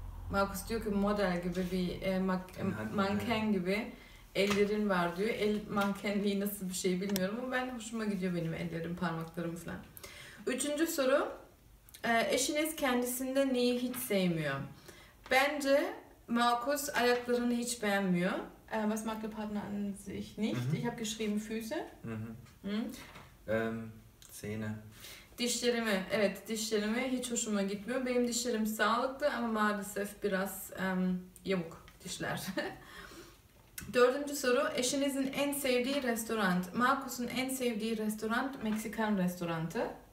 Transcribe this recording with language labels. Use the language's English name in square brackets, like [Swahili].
[Turkish] Markus diyor ki model gibi bir manken gibi ellerin var diyor. El mankenliği nasıl bir şey bilmiyorum ama ben hoşuma gidiyor benim ellerim, parmaklarım falan. Üçüncü soru, eşiniz kendisinde neyi hiç sevmiyor? Bence Markus ayaklarını hiç beğenmiyor. [German] Was mag der Partner an sich nicht? Mhm. Ich habe geschrieben Füße. Mhm. Mhm. Zähne. [Turkish] Dişlerimi, evet dişlerimi hiç hoşuma gitmiyor. Benim dişlerim sağlıklı ama maalesef biraz yamuk dişler. Dördüncü soru, eşinizin en sevdiği restoran. Markus'un en sevdiği restoran Meksikan restoranı.